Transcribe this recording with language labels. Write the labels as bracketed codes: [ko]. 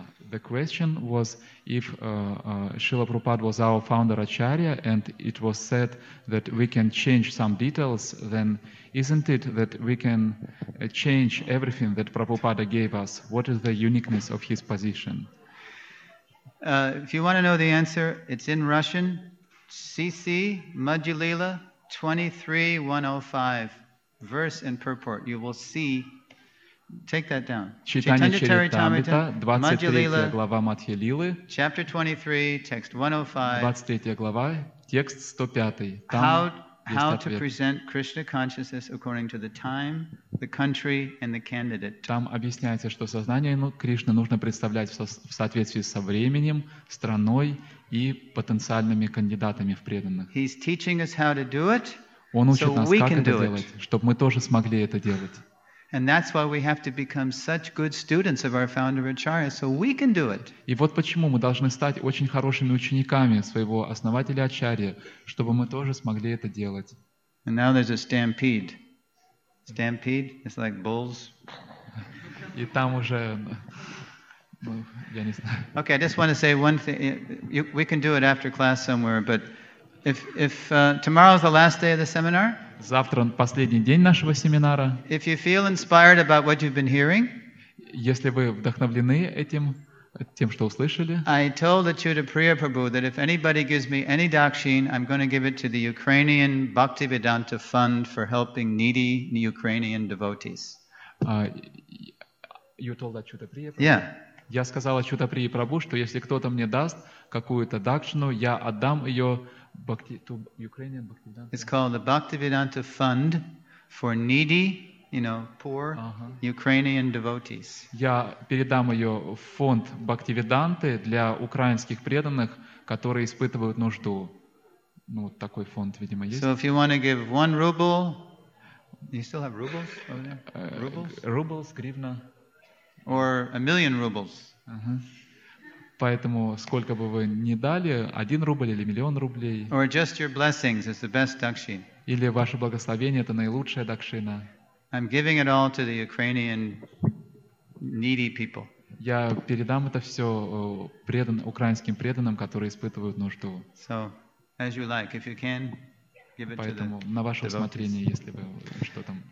[en] The question was if Srila Prabhupada was our founder Acharya and it was said that we can change some details, then isn't it that we can change everything that Prabhupada gave us? What is the uniqueness of his position? If you want to know the answer, it's in Russian, CC Madhyalila 23105, verse and purport. You will see. Take that down. [ru] Читание Чаритамрита, 23 глава Мадхьялилы. [en] Chapter 23, text 105. [ru] 23 глава, текст 105. [en] How to present Krishna consciousness according to the time, the country, and the candidate. [ru] Там объясняется, что сознание Кришны нужно представлять в соответствии со временем, страной и потенциальными кандидатами в преданных. [en] He's teaching us how to do it, [ru] Он учит нас, как это делать, чтобы мы тоже смогли это делать. [en] And that's why we have to become such good students of our founder Acharya, so we can do it. [ru] И вот почему мы должны стать очень хорошими учениками своего основателя Ачарьи, чтобы мы тоже смогли это делать. [en] And now there's a stampede. Stampede? It's like bulls. [ru] И там уже, ну, я не знаю. [en] Okay, I just want to say one thing. We can do it after class somewhere, but if tomorrow is the last day of the seminar. [ru] Завтра последний день нашего семинара. [en] If you feel inspired about what you've been hearing, [ru] если вы вдохновлены этим тем, что услышали. [en] I told Achyuta Priya Prabhu that if anybody gives me any dakshin, I'm going to give it to the Ukrainian Bhaktivedanta Fund for helping needy Ukrainian devotees. You told Achyuta Priya Prabhu? Yeah. [ru] Я сказал Ачюта Прии Прабу, что если кто-то мне даст какую-то дакшину, я отдам ее [en] Bhakti, to Ukrainian Bhaktivedanta. It's called the Bhaktivedanta Fund for needy, you know, poor Ukrainian devotees. [ru] Я передам ее в фонд Бхактивиданты для украинских преданных, которые испытывают нужду. Ну, вот такой фонд, видимо, есть. [en] So if you want to give one ruble, you still have rubles over there? Rubles? Rubles, гривна. Or a million rubles. [ru] Поэтому сколько бы вы ни дали, один рубль или миллион рублей. [en] Or just your blessings is the best dakshin. [ru] Или ваше благословение — это наилучшая дакшина. [en] I'm giving it all to the Ukrainian needy people. [ru] Я передам это все украинским преданным, которые испытывают нужду. [en] So, as you like, if you can, give it to them. [ru] Поэтому на ваше усмотрение, если вы что там.